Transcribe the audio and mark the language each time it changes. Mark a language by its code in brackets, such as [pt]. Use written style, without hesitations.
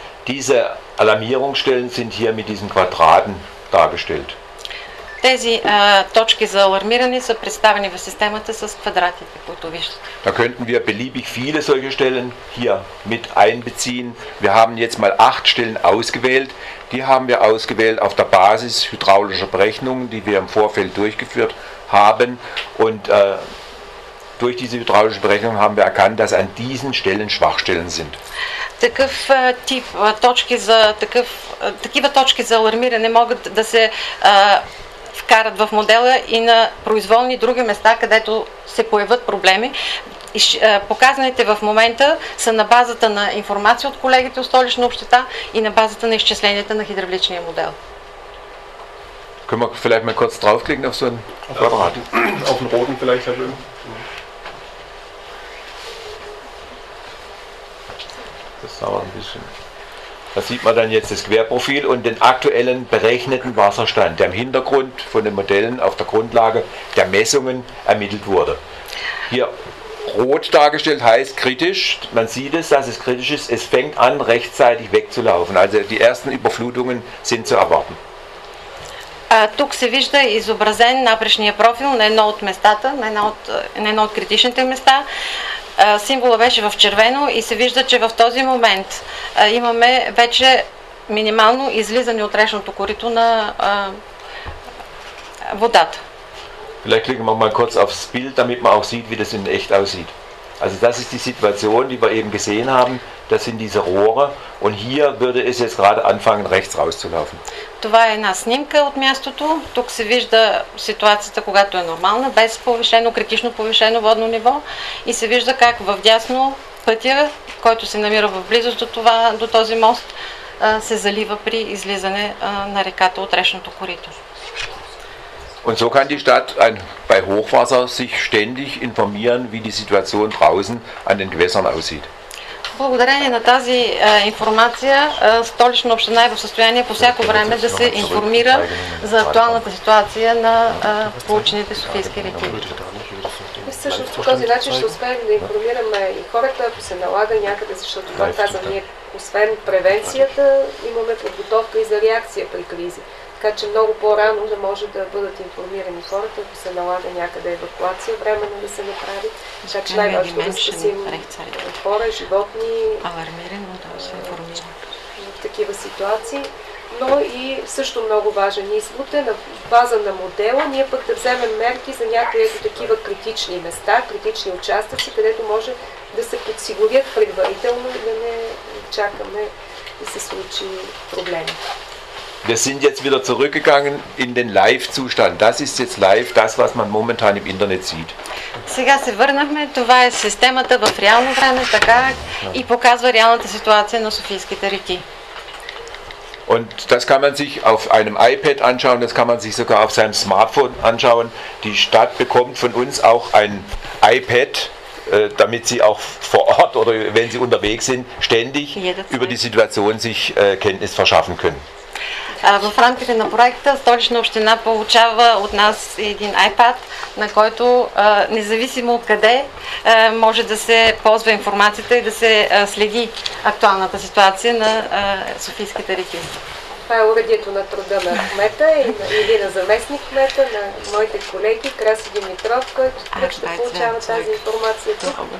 [de] Diese Alarmierungsstellen sind hier mit diesen Quadraten dargestellt. [bg] Тези точки за алармиране са представени в системата с квадратите, които виждате. [de] Da könnten wir beliebig viele solche Stellen hier mit einbeziehen. Wir haben jetzt mal 8 Stellen ausgewählt. Die haben wir ausgewählt auf der Basis hydraulischer Berechnungen, die wir im Vorfeld durchgeführt haben. Und durch diese hydraulische Berechnung haben wir erkannt, dass an diesen Stellen Schwachstellen sind. [bg] Такъв тип точки за такъв, такива точки за алармиране могат да се вкарат в модела и на произволни други места, където се появят проблеми. Показаните в момента са на базата на информация от колегите от Столична общета и на базата на изчисленията на хидравличния модел. [de] Können wir vielleicht mal kurz draufklicken auf so einen Quadrat? Auf den roten vielleicht. Das dauert ein bisschen. Da sieht man dann jetzt das Querprofil und den aktuellen berechneten Wasserstand, der im Hintergrund von den Modellen auf der Grundlage der Messungen ermittelt wurde. Hier rot dargestellt heißt kritisch. Man sieht es, dass es kritisch ist. Es fängt an, rechtzeitig wegzulaufen. Also die ersten Überflutungen sind zu erwarten. [bg] Тук се вижда изобразен напречния профил на едно от местата, на едно от, на едно от критичните места. Символът беше в червено и се вижда, че в този момент имаме вече минимално излизане от речното корито на водата. [de] Vielleicht klicken wir mal kurz aufs Bild, damit man auch sieht, wie das in echt aussieht. Also das ist die Situation, die wir eben gesehen haben. Das sind diese Rohre und hier würde es jetzt gerade anfangen, rechts rauszulaufen. [bg] Това е една снимка от мястото. Тук се вижда ситуацията, когато е нормална, без повишено, критично повишено водно ниво и се вижда как в дясно пътя, който се намира в близост до това, до този мост, се залива при излизане на реката от речното корито. [de] Und so kann die Stadt bei Hochwasser sich ständig informieren, wie die Situation draußen an den Gewässern aussieht. [bg] Благодарение на тази информация Столична община е в състояние по всяко време да се информира за актуалната ситуация на получените софийски реки. Всъщност по този начин ще успеем да информираме и хората, ако се налага някъде, защото това казвам, ние освен превенцията имаме подготовка и за реакция при кризи. Така че много по-рано да може да бъдат информирани хората, ако се налага някъде евакуация времено да се направи. Така че най-важно да спасим хора, животни, алармирани, да се информираме в такива ситуации. Но и също много важен извод е на база на модела, ние пък да вземем мерки за някъде такива критични места, критични участъци, където може да се подсигурят предварително и да не чакаме да се случи проблем. [de] Wir sind jetzt wieder zurückgegangen in den Live-Zustand. Das ist jetzt live, das, was man momentan im Internet sieht. [bg] Сега се върнахме. Това е системата в реално време, така, и показва реалната ситуация на Софийските реки. [de] Und das kann man sich auf einem iPad anschauen, das kann man sich sogar auf seinem Smartphone anschauen. Die Stadt bekommt von uns auch ein iPad, damit sie auch vor Ort oder wenn sie unterwegs sind, ständig über die Situation sich Kenntnis verschaffen können. [bg] В рамките на проекта Столична община получава от нас един iPad, на който независимо от къде може да се ползва информацията и да се следи актуалната ситуация на Софийските реки. Това е уредието на труда на кмета или на заместник кмета, на моите колеги Краси Димитров, който ще получава тази информация тук.